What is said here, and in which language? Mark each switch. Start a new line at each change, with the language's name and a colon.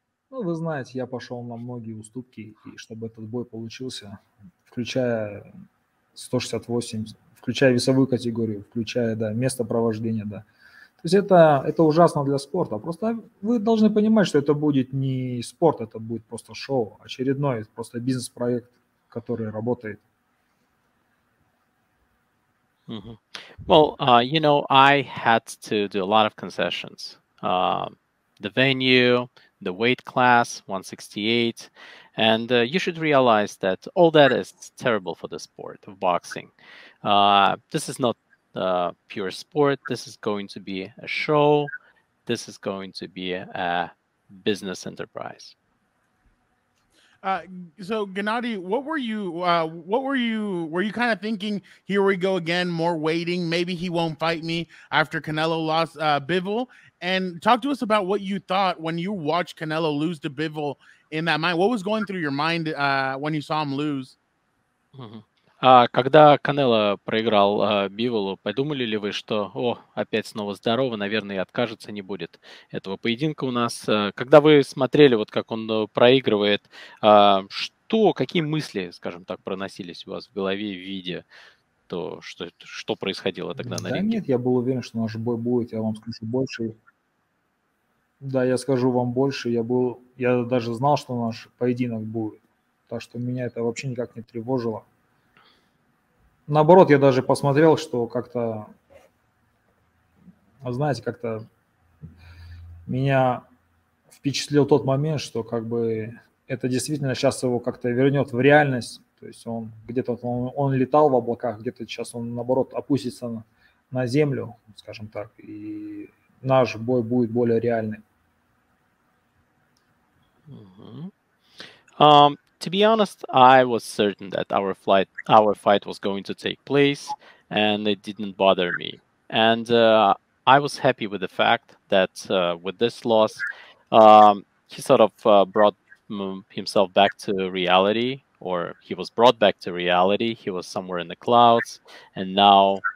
Russian: Ну, вы знаете, я пошел на многие уступки, и чтобы этот бой получился, включая 168, включая весовую категорию, включая, да, место провождения, да. То есть это ужасно для спорта. Просто вы должны понимать, что это будет не спорт, это будет просто шоу, очередной просто бизнес-проект, который работает. Mm-hmm.
English: Well, you know, I had to do a lot of concessions. The venue, the weight class, 168. And you should realize that all that is terrible for the sport of boxing. This is not pure sport. This is going to be a show. This is going to be a business enterprise. So Gennadiy, were you kind of thinking, here we go again, more waiting, maybe he won't fight me after Canelo lost Bivol? And talk to us about what you thought when you watched Canelo lose to Bivol in that mind. What was going through your mind when you saw him lose? Mm-hmm.
Russian: Когда Канело проиграл Биволу, подумали ли вы, что, о, опять снова здорово, наверное, и откажется не будет этого поединка у нас? Когда вы смотрели, вот как он проигрывает, что, какие мысли, скажем так, проносились у вас в голове в виде то, что происходило тогда на ринге? Да нет, я был уверен, что наш бой будет, я вам скажу больше. Да, я скажу вам больше, я даже знал, что наш поединок будет, так что меня это вообще никак не тревожило. Наоборот, я даже посмотрел, что как-то, знаете, как-то меня впечатлил тот момент, что как бы это действительно сейчас его как-то вернет в реальность. То есть он где-то он летал в облаках, где-то сейчас он, наоборот, опустится на землю, скажем так, и наш бой будет более реальным. Mm-hmm.
English: To be honest, I was certain that our fight was going to take place, and it didn't bother me. And I was happy with the fact that with this loss, he sort of brought himself back to reality, or he was brought back to reality. He was somewhere in the clouds, and now